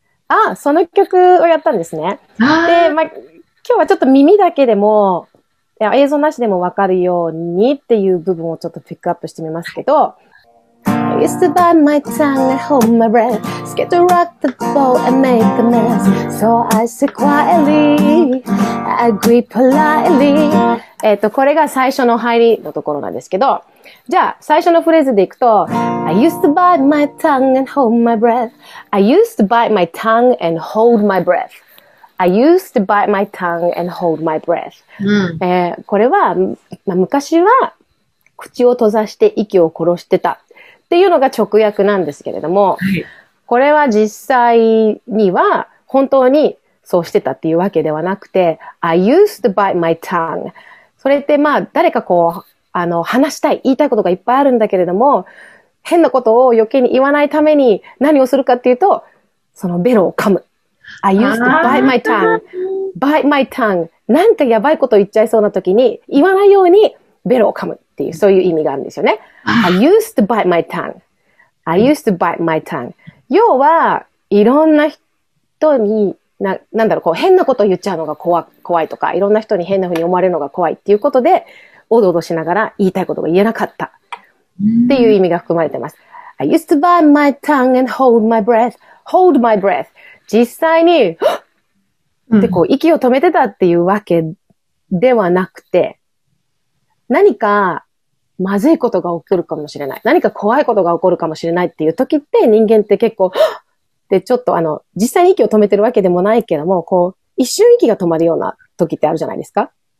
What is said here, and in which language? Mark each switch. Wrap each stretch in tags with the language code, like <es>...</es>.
<ja>あ、その曲をやったんですね。あで、まあ、今日はちょっと耳だけでも、いや映像なしでもわかるようにっていう部分をちょっとピックアップしてみますけど、</ja> <en>I used to bite my tongue and hold my breath, scared to rock the boat and make a mess. So I sit quietly, I agree politely.</en> <ja>これが最初の入りのところなんですけど、じゃあ最初のフレーズでいくと、</ja> <en>I used to bite my tongue and hold my breath. I used to bite my tongue and hold my breath. I used to bite my tongue and hold my breath.、うん、</en> <ja>これは、まあ、昔は口を閉ざして息を殺してた。っていうのが直訳なんですけれども、はい、これは実際には本当にそうしてたっていうわけではなくて、</ja> <en>I used to bite my tongue。</en> <ja>それってまあ、誰かこう、話したい、言いたいことがいっぱいあるんだけれども、変なことを余計に言わないために何をするかっていうと、そのベロを噛む。</ja> <en>I used to bite my tongue. Bite my tongue.</en> <ja>なんかやばいこと言っちゃいそうな時に、言わないようにベロを噛むっていう、そういう意味があるんですよね。</ja> <en>I used to bite my tongue. I used to bite my tongue.</en> <ja>要は、いろんな人に、なんだろう、こう、変なことを言っちゃうのが怖いとか、いろんな人に変な風に思われるのが怖いっていうことで、おどおどしながら言いたいことが言えなかったっていう意味が含まれてます。</ja> <en>I used to bite my tongue and hold my breath. Hold my breath.</en> <ja>実際に、ってこう、息を止めてたっていうわけではなくて、何かまずいことが起こるかもしれない。何か怖いことが起こるかもしれないっていう時って、人間って結構、で、ちょっと実際に息を止めてるわけでもないけども、こう、一瞬息が止まるような時ってあるじゃないですか。</ja>